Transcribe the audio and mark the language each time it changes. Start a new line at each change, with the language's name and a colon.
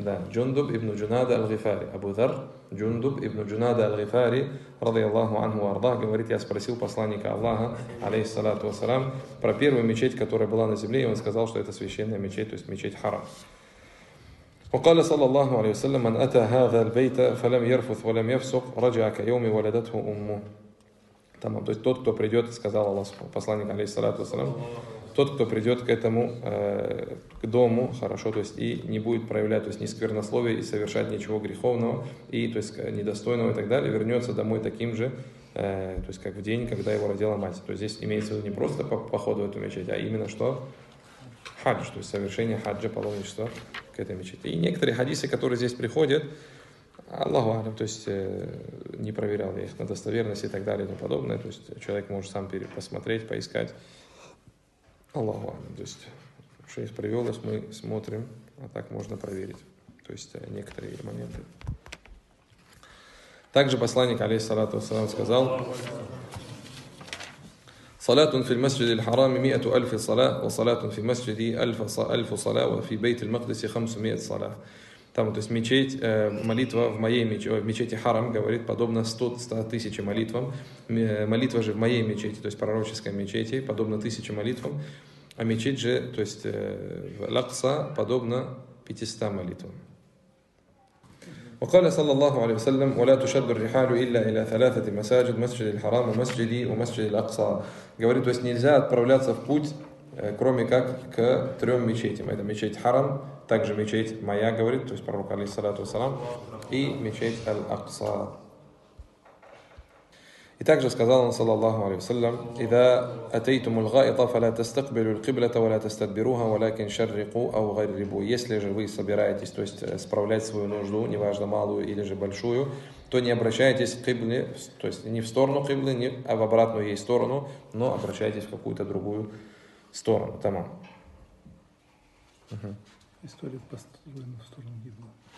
Russian: Джундуб ибн Джунада аль-Гифари. Абу Дар. Джундуб ибн Джунада аль-Гифари, радиаллаху анху ардах, говорит, я спросил посланника Аллаха, алейхиссалату вассалям, про первую мечеть, которая была на земле, и он сказал, что это священная мечеть, то есть мечеть Харам.
Arabic: وقال صلى الله عليه وسلم من أتى هذا البيت فلم يرفث ولم يفسق رجع كيوم ولدته أمه. تمام.
Russian: То есть тот, кто придет, сказал Аллах, посланник алейхиссалату вассалям, тот, кто придет к этому к дому, хорошо, то есть и не будет проявлять, то есть ни сквернословия и совершать ничего греховного и то есть недостойного и так далее, вернется домой таким же, то есть как в день, когда его родила мать. То есть здесь имеется в виду не просто поход в эту мечеть, а именно что хадж, то есть совершение хаджа, паломничества к этой мечети. И некоторые хадисы, которые здесь приходят, Аллаху алям, то есть не проверял я их на достоверность и так далее и тому подобное. То есть человек может сам посмотреть, поискать. Аллаху алям. То есть шейх привел нас, мы смотрим, а так можно проверить. То есть некоторые моменты. Также посланник, алейхиссалату вассалям, сказал...
Arabic: صلاة في المسجد الحرام 100,000 صلاة وصلاة في المسجد 1,000 صلاة وفي بيت المقدس 500 صلاة.
Russian: Там, то есть мечеть, молитва в моей мечети, в мечети Харам, говорит, подобно 100 000 молитвам. Молитва же в моей мечети, то есть пророческой мечети, подобно 1000 молитвам. А мечеть же, то есть в Лакса, подобно 500 молитвам.
Arabic: وقال صلى الله عليه وسلم ولا تشد الرحال الا الى ثلاثه مساجد مسجد الحرام ومسجدي ومسجد الاقصى.
Russian: Говорит, то есть нельзя отправляться в путь, кроме как к трем мечетям. Это мечеть Харам, также мечеть моя, говорит, то есть пророк алейхиссалату вассалам, и мечеть Аль-Акса. И также сказал он,
Arabic: саллаллаху алейхи ва саллям, اذا اتيتم الغائط فلا تستقبلوا القبلة ولا تستدبروها ولكن شرقوا او غربوا.
Russian: Если же вы собираетесь, то есть справлять свою нужду, неважно малую или же большую, то не обращайтесь к кыбле, то есть не в сторону кыблы, не а в обратную ей сторону, но обращайтесь в какую-то другую сторону. Тамам. История построена в сторону кыблы.